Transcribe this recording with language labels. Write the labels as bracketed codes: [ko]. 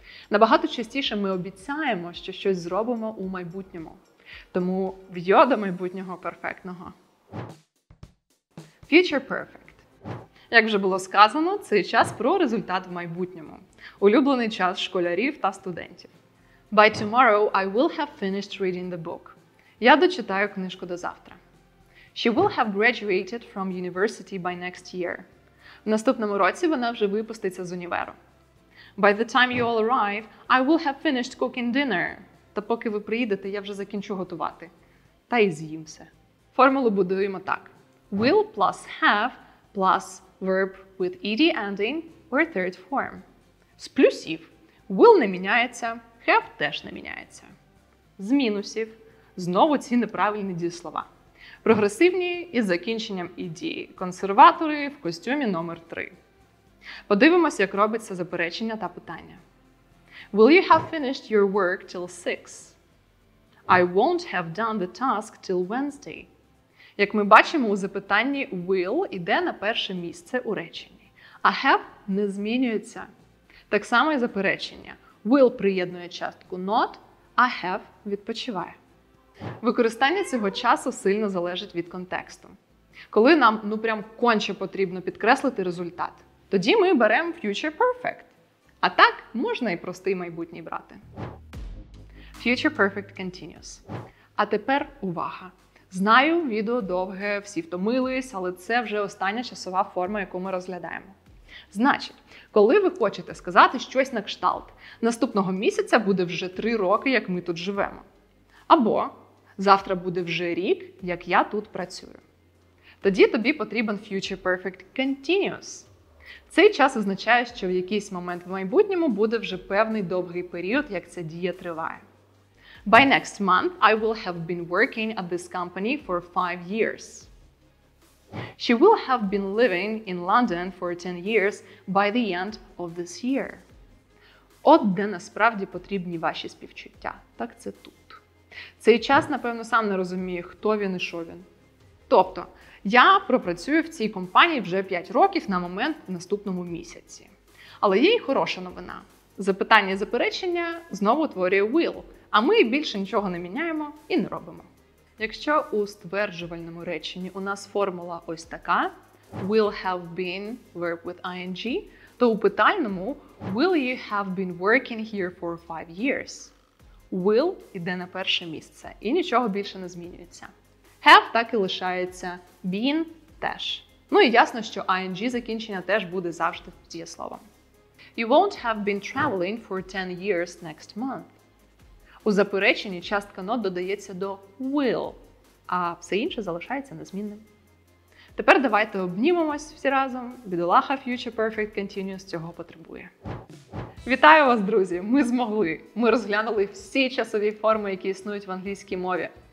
[uk] Набагато частіше ми обіцяємо, що щось зробимо у майбутньому. Тому в'йо до майбутнього перфектного. [en] Future perfect. [uk] Як вже було сказано, цей час про результат в майбутньому. Улюблений час школярів та студентів. [en] By tomorrow I will have finished reading the book. [uk] Я дочитаю книжку до завтра. [en] She will have graduated from university by next year. [uk] В наступному році вона вже випуститься з універу. [en] By the time you all arrive, I will have finished cooking dinner. [uk] Та поки ви приїдете, я вже закінчу готувати. Та і з'їмся. Формулу будуємо так. [en] Will plus have plus verb with ed ending or third form. [uk] З плюсів. Will не міняється, have теж не міняється. З мінусів. Знову ці неправильні дієслова. Прогресивні із закінченням ed. Консерватори в костюмі номер 3. Подивимось, як робиться заперечення та питання. [en] Will you have finished your work till 6? I won't have done the task till Wednesday. [uk] Як ми бачимо у запитанні, will іде на перше місце у реченні, а have не змінюється. Так само і заперечення. Will приєднує частку not, I have – відпочиває. Використання цього часу сильно залежить від контексту. Коли нам, ну прям конче потрібно підкреслити результат, тоді ми беремо Future Perfect. А так можна і простий майбутній брати. Future Perfect Continuous. А тепер увага! Знаю, відео довге, всі втомились, але це вже остання часова форма, яку ми розглядаємо. Значить, коли ви хочете сказати щось на кшталт, наступного місяця буде вже 3 роки, як ми тут живемо. Або завтра буде вже рік, як я тут працюю. Тоді тобі потрібен Future Perfect Continuous. Цей час означає, що в якийсь момент в майбутньому буде вже певний довгий період, як ця дія триває. [en] By next month, I will have been working at this company for 5 years. She will have been living in London for 10 years by the end of this year. [uk] От де насправді потрібні ваші співчуття. Так це тут. Цей час, напевно, сам не розуміє, хто він і що він. Тобто, я пропрацюю в цій компанії вже 5 років на момент в наступному місяці. Але є й хороша новина. Запитання і заперечення знову утворює will. А ми більше нічого не міняємо і не робимо. Якщо у стверджувальному реченні у нас формула ось така [en] will have been verb with ing, [uk] то у питальному [en] will you have been working here for 5 years? [uk] Will іде на перше місце і нічого більше не змінюється. Have так і лишається, been теж. Ну і ясно, що ing закінчення теж буде завжди дієсловом. [en] You won't have been traveling for 10 years next month. [uk] У запереченні частка not додається до will, а все інше залишається незмінним. Тепер давайте обнімемось всі разом. Бідолаха Future Perfect Continuous цього потребує. Вітаю вас, друзі! Ми змогли! Ми розглянули всі часові форми, які існують в англійській мові.